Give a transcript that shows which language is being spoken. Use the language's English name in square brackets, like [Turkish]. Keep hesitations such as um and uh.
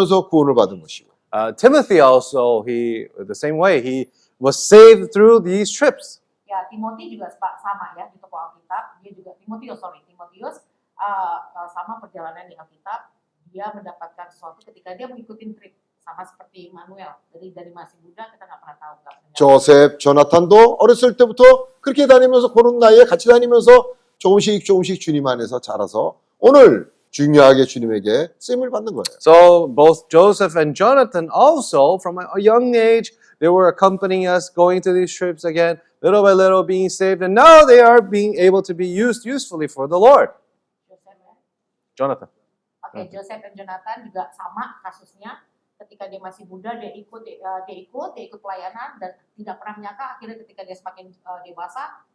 [English] Timothy also he the same way he was saved through these trips. [Indonesian] yeah, Timothy juga sama ya di tokoh dia juga Timotius sorry Timotius uh, uh, sama perjalanan di Alkitab dia mendapatkan sesuatu ketika dia mengikuti trip sama seperti Manuel dari dari masih muda kita nggak pernah tahu [Korean] nggak Joseph Jonathan도 어렸을 때부터 그렇게 다니면서 그런 나이에 같이 다니면서 조금씩 조금씩 주님 안에서 자라서 오늘 중요하게 주님에게 쓰임을 받는 거예요. [English] So both Joseph and Jonathan also from a young age they were accompanying us going to these trips again little by little being saved and now they are being able to be used usefully for the lord jonathan, jonathan. okay joseph jonathan. [Indonesian] and jonathan juga sama kasusnya ketika dia masih muda dia ikut dia, dia ikut dia ikut pelayanan dan tidak pernah menyangka akhirnya ketika dia semakin uh, dewasa